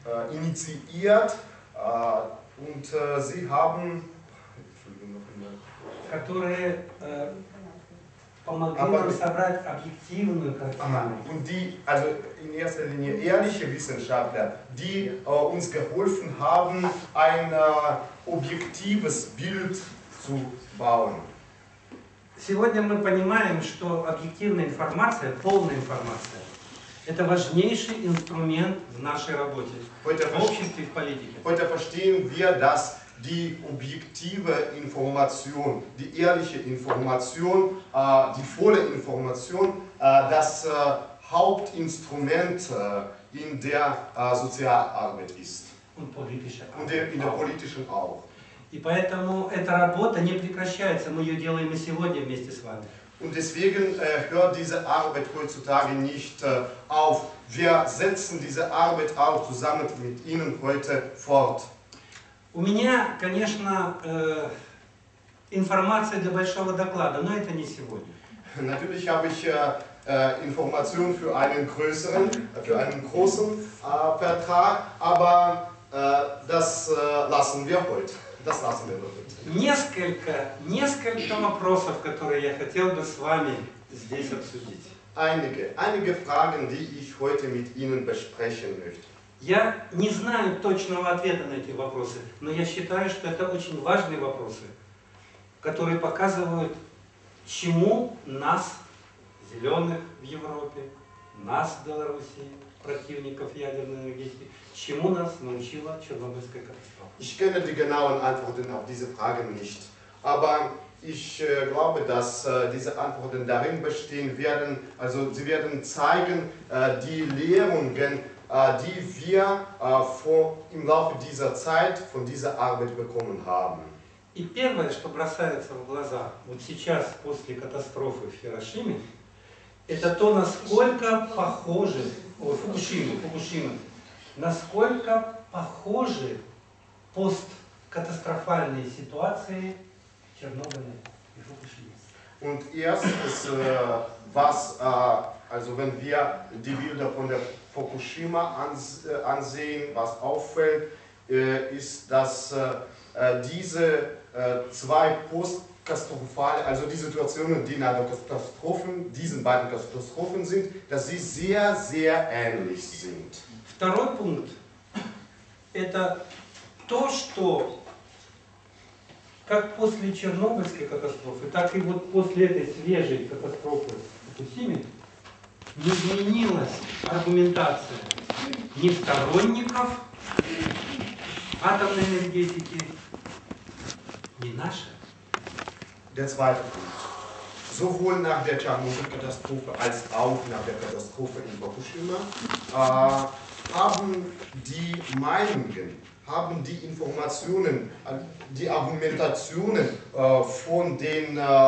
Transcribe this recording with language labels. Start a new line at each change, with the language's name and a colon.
German: initiiert und sie haben, und die, also in erster Linie ehrliche Wissenschaftler, die uns geholfen haben, ein objektives Bild zu bauen.
Russian: Сегодня мы понимаем, что объективная информация, полная информация, это важнейший инструмент в нашей работе, в обществе и в политике.
German: Heute verstehen wir, dass die objektive Information, die ehrliche Information, die volle Information, das Hauptinstrument in der Sozialarbeit ist. Und politische auch. Und in der politischen auch.
Russian: И поэтому эта работа не прекращается, мы ее делаем и сегодня вместе с вами.
German: Und deswegen hört diese Arbeit heutzutage nicht auf. Wir setzen diese Arbeit auch zusammen mit Ihnen heute fort.
Russian: У меня, конечно, информация для большого доклада, но это не сегодня.
German: Natürlich habe ich Information für einen größeren, für einen großen Vertrag, aber das lassen wir heute.
Russian: Несколько вопросов, которые я хотел бы с вами здесь обсудить.
German: Einige Fragen, die ich heute mit Ihnen besprechen möchte.
Russian: Я не знаю точного ответа на эти вопросы, но я считаю, что это очень важные вопросы, которые показывают, чему нас, зеленых в Европе, нас, в Белоруссии, противников ядерной энергетики, чему нас научила Чернобыльская катастрофа.
German: Ich kenne die genauen Antworten auf diese Fragen nicht, aber ich glaube, dass diese Antworten darin bestehen werden, also sie werden zeigen die Lehren, die wir im Laufe dieser Zeit von dieser Arbeit bekommen haben.
Russian: И первое, что бросается в глаза вот сейчас после катастрофы в Хиросиме, это то, насколько похожи Фукушима, насколько похожи посткатастрофальные ситуации Чернобыля и Фукушимы.
German: Und erstes, was Also wenn wir die Bilder von der Fukushima ansehen, was auffällt, ist, dass diese zwei postkatastrophale, also die Situationen, die nach den Katastrophen, diesen beiden Katastrophen sind, dass sie sehr, sehr ähnlich sind.
Russian: Второй пункт – это то, что как после Чернобыльской катастрофы, так и вот после этой свежей катастрофы в Фукусиме не изменилась аргументация ни сторонников атомной энергетики, ни наша.
German: Der zweite Punkt. Sowohl nach der Tschernobyl-Katastrophe als auch nach der Katastrophe in Fukushima haben die Meinungen, haben die Informationen, die Argumentationen von den